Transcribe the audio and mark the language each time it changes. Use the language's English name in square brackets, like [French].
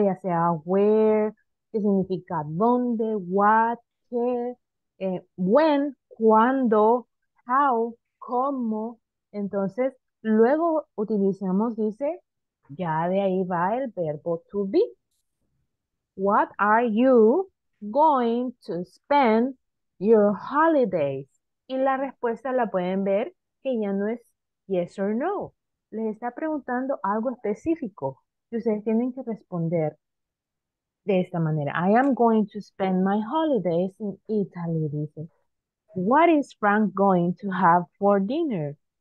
[Spanish] Ya sea where, que significa dónde, what, qué, when. ¿Cuándo? ¿How? ¿Cómo? Entonces, luego utilizamos, dice, ya de ahí va el verbo to be. [English] What are you going to spend your holidays? [Spanish] Y la respuesta la pueden ver que ya no es [English] yes or no. [Spanish] Les está preguntando algo específico y ustedes tienen que responder de esta manera. [English] I am going to spend my holidays in Italy, [Spanish] dice. [English] What is Frank going to have for dinner?